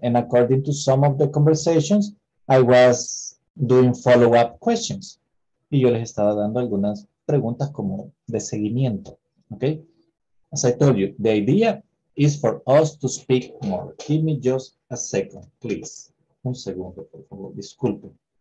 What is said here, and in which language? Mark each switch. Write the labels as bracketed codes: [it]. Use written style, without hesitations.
[en] And according to some of the conversations, I was doing follow-up questions. [es] Y yo les estaba dando algunas preguntas como de seguimiento. [en] Okay? As I told you, the idea is for us to speak more. Give me just a second, please. [es] Un segundo, por favor. Disculpen.